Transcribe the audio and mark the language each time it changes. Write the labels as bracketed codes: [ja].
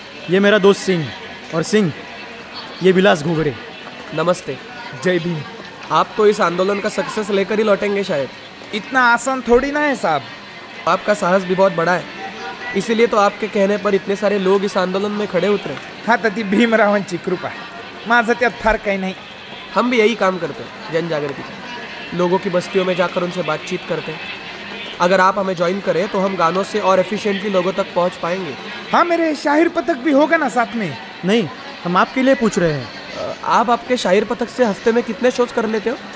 [hi] ये मेरा दोस्त सिंह, और सिंह ये विलास घुगरे. नमस्ते. जय भीम. आप तो इस आंदोलन का सक्सेस लेकर ही लौटेंगे शायद. इतना आसान थोड़ी ना है साहब. आपका साहस भी बहुत बड़ा है, इसीलिए तो आपके कहने पर इतने सारे लोग इस आंदोलन में खड़े उतरे. [mr] हाँ तथी भीमरावन की कृपा, माझा त्यात फार काही नाही. [hi] हम भी यही काम करते हैं जनजागृति, लोगों की बस्तियों में जाकर उनसे बातचीत करते हैं. अगर आप हमें ज्वाइन करें तो हम गानों से और एफिशिएंटली लोगों तक पहुंच पाएंगे. हाँ मेरे शाहिर पथक भी होगा ना साथ में? नहीं, हम आपके लिए पूछ रहे हैं. आप आपके शाहिर पथक से हफ्ते में कितने शोज कर लेते हो?